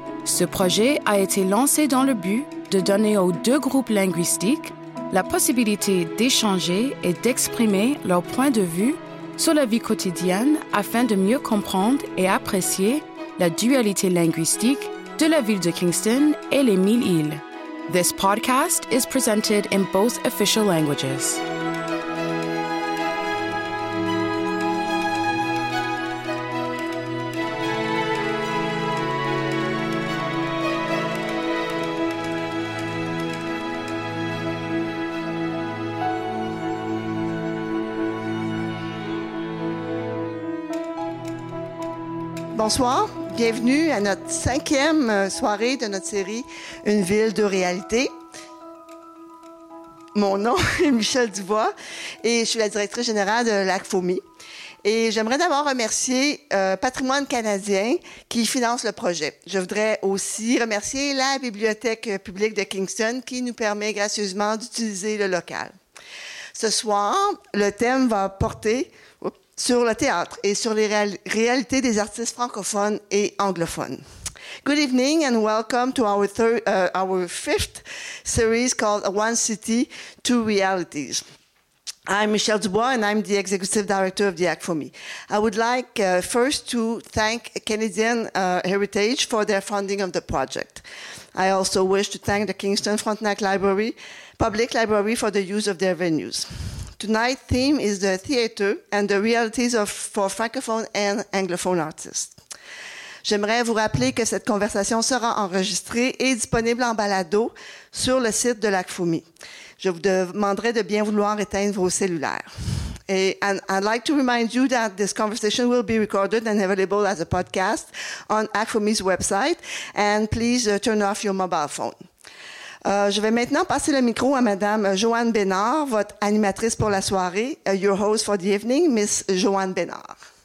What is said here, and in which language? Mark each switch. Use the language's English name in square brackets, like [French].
[French] Ce projet a été lancé dans le but de donner aux deux groupes linguistiques la possibilité d'échanger et d'exprimer leur point de vue sur la vie quotidienne afin de mieux comprendre et apprécier la dualité linguistique de la ville de Kingston et les mille îles. [English] This podcast is presented in both official languages. [French] Bonsoir. Bienvenue à notre cinquième soirée de notre série « Une ville, deux réalités ». Mon nom est Michèle Dubois et je suis la directrice générale de l'ACFOMI. Et j'aimerais d'abord remercier Patrimoine canadien qui finance le projet. Je voudrais aussi remercier la Bibliothèque publique de Kingston qui nous permet gracieusement d'utiliser le local. Ce soir, le thème va porter sur le théâtre et sur les réalités des artistes francophones et anglophones. [English] Good evening and welcome to our fifth series called One City, Two Realities. I'm Michèle Dubois and I'm the executive director of the ACFOMI. I would like first to thank Canadian Heritage for their funding of the project. I also wish to thank the Kingston Frontenac Library, Public Library for the use of their venues. Tonight's theme is the theater and the realities for francophone and anglophone artists. [French] J'aimerais vous rappeler que cette conversation sera enregistrée et disponible en balado sur le site de l'ACFOMI. Je vous demanderai de bien vouloir éteindre vos cellulaires. [English] And I'd like to remind you that this conversation will be recorded and available as a podcast on ACFOMI's website, and please turn off your mobile phone. [French] Je vais maintenant passer le micro à Madame Joanne Bénard, votre animatrice pour la soirée, [English] your host for the evening, Miss Joanne Bénard.